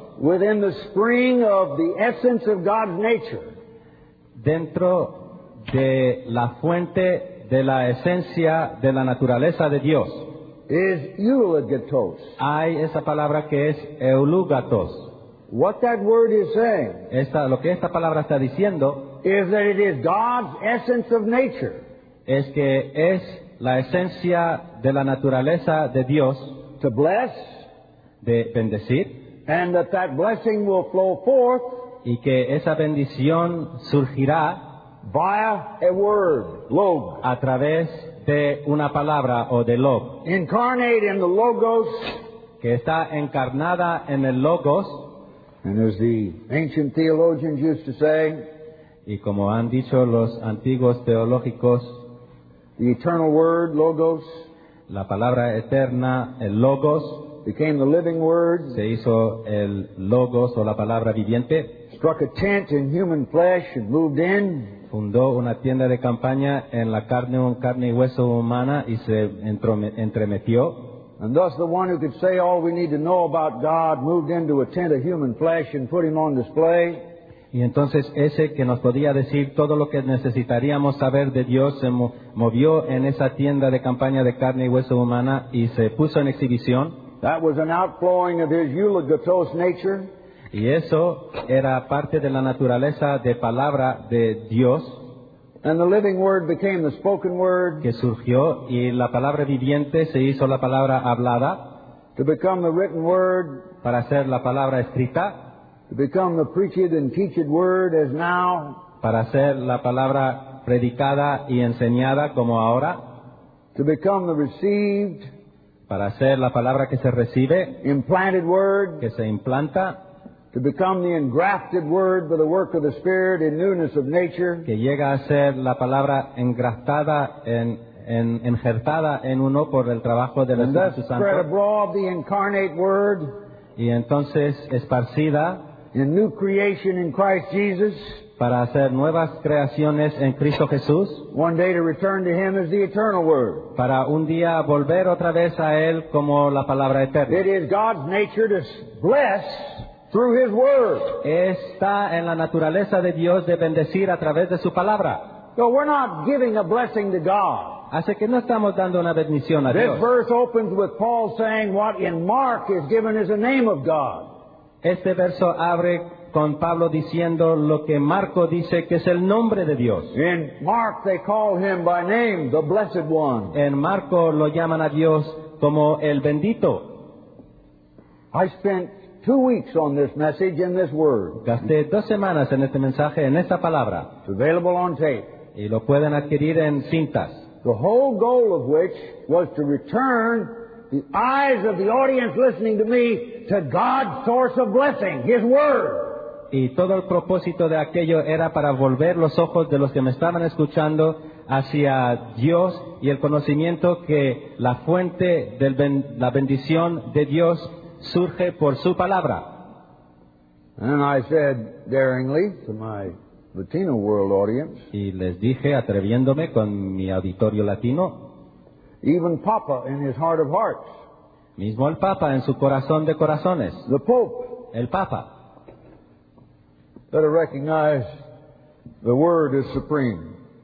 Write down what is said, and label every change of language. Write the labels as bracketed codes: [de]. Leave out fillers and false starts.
[en] Within the spring of the essence of God's nature. [es] Dentro de la fuente de la esencia de la naturaleza de Dios. [en] Is eulogatos. [es] Hay esa palabra que es eulogatos. [en] What that word is saying. [es] Lo que esta palabra está diciendo. [en] Is that it is God's essence of nature. [es] Es que es la esencia de la naturaleza de Dios. [en] To bless. [es] De bendecir. [en] And that that blessing will flow forth. [es] Y que esa bendición surgirá. [en] Via a word, logos. [es] A través de una palabra o de logos. [en] Incarnate in the logos. [es] Que está encarnada en el logos. [en] And as the ancient theologians used to say. [es] Y como han dicho los antiguos teológicos. [en] The eternal word, logos. [es] La palabra eterna, el logos. [en] Became the living word. [es] Se hizo el logos o la palabra viviente. [en] Struck a tent in human flesh and moved in. [es] Fundó una tienda de campaña en la carne y hueso humana y se entremetió. [en] And thus the one who could say all we need to know about God moved into a tent of human flesh and put him on display. [es] Y entonces ese que nos podía decir todo lo que necesitaríamos saber de Dios se movió en esa tienda de campaña de carne y hueso humana y se puso en exhibición. [en] That was an outflowing of his eulogatos nature. [es] Y eso era parte de la naturaleza de palabra de Dios. [en] And the living word became the spoken word. [es] Que surgió y la palabra viviente se hizo la palabra hablada. [en] To become the written word. [es] Para ser la palabra escrita. [en] To become the preached and teached word as now. [es] Para ser la palabra predicada y enseñada como ahora. [en] To become the received. [es] Para ser la palabra que se recibe. [en] Implanted word. [es] Que se implanta. [en] To become the engrafted word by the work of the Spirit in newness of nature. [es] Que llega a ser la palabra engraftada, injertada en uno por el trabajo del Espíritu Santo. [en] Spread abroad the incarnate word. [es] Y entonces esparcida. [en] In new creation in Christ Jesus. [es] Para hacer nuevas creaciones en Cristo Jesús. [en] One day to return to Him as the eternal Word. [es] Para un día volver otra vez a Él como la palabra eterna. [en] It is God's nature to bless through His Word. [es] Está en la naturaleza de Dios de bendecir a través de su palabra. [en] So we're not giving a blessing to God. [es] Así que no estamos dando una bendición a Dios. [en] This verse opens with Paul saying what in Mark is given is the name of God. [es] Este verso abre con Pablo diciendo lo que Marco dice que es el nombre de Dios. [en] In Mark they call him by name, the blessed one. [es] En Marco lo llaman a Dios como el bendito. [en] I spent 2 weeks on this message in this word. [es] Gasté 2 semanas en este mensaje, en esta palabra. [en] It's available on tape. [es] Y lo pueden adquirir en cintas. [en] The whole goal of which was to return the eyes of the audience listening to me to God's source of blessing, His Word. [es] Y todo el propósito de aquello era para volver los ojos de los que me estaban escuchando hacia Dios y el conocimiento que la fuente de la bendición de Dios surge por su palabra. [en] And I said daringly to my Latino world audience. [es] Y les dije, atreviéndome con mi auditorio latino, [en] even Papa in his heart of hearts. [es] Mismo el Papa en su corazón de corazones. [en] The Pope. [es] El Papa. [en] Better recognize the Word is supreme.